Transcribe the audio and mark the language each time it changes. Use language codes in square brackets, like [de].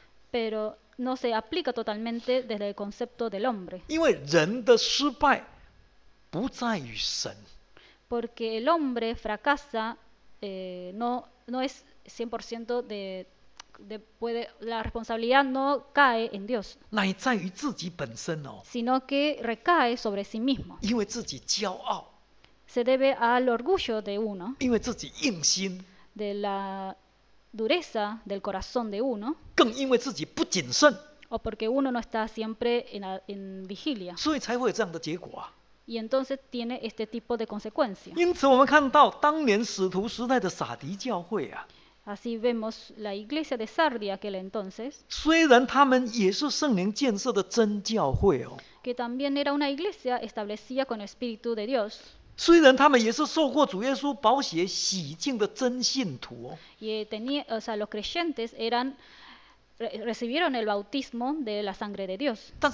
[es] Pero no se aplica totalmente desde el concepto del hombre. [zh] 因为人的失败不在于神。 [es] Porque el hombre fracasa, no es 100% puede, la responsabilidad no cae en Dios. [zh] 乃在于自己本身哦。 [es] Sino que recae sobre sí mismo. [zh] 因为自己骄傲。 [es] Se debe al orgullo de uno, [zh] 因为自己硬心, [es] de la dureza del corazón de uno, [zh] 更因为自己不谨慎, [es] o porque uno no está siempre en vigilia. [zh] 所以才会有这样的结果啊。 [es] Y entonces tiene este tipo de consecuencia. [zh] 因此我们看到当年使徒时代的撒迪教会啊, [es] así vemos la iglesia de Sardis aquel entonces, [zh] 虽然他们也是圣灵建设的真教会哦, [es] que también era una iglesia establecida con el Espíritu de Dios, [zh] 虽然他们也是受过主耶稣宝血洗净的真信徒哦。 [es] 也tenía, o sea, los creyentes eran recibieron el bautismo de la sangre de Dios.